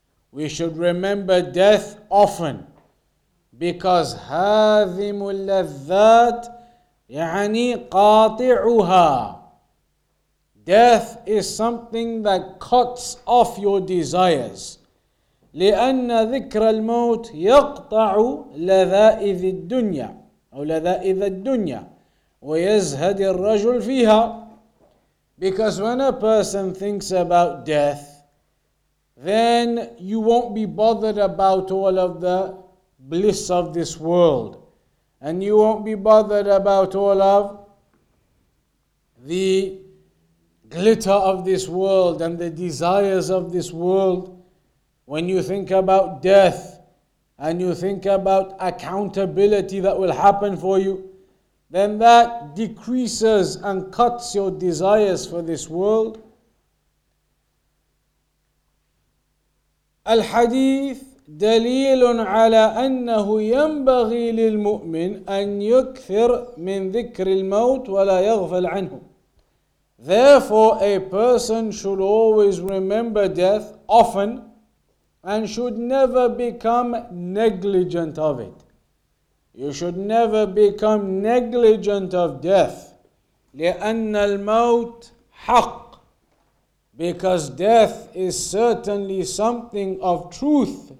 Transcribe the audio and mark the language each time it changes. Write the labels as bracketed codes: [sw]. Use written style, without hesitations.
[en] We should remember death often, because [ar] هاذم اللذات يعني قاطعها. [en] Death is something that cuts off your desires. [ar] لأن ذكر الموت يقطع لذائذ الدنيا أو لذائذ الدنيا ويزهد الرجل فيها. [en] Because when a person thinks about death, then you won't be bothered about all of the bliss of this world. And you won't be bothered about all of the glitter of this world and the desires of this world. When you think about death and you think about accountability that will happen for you, then that decreases and cuts your desires for this world. [ar] الحديث دليل على أنه ينبغي للمؤمن أن يكثر من ذكر الموت ولا يغفل عنه. [en] Therefore, a person should always remember death often and should never become negligent of it. You should never become negligent of death. [ar] لأن الموت حق. [en] Because death is certainly something of truth.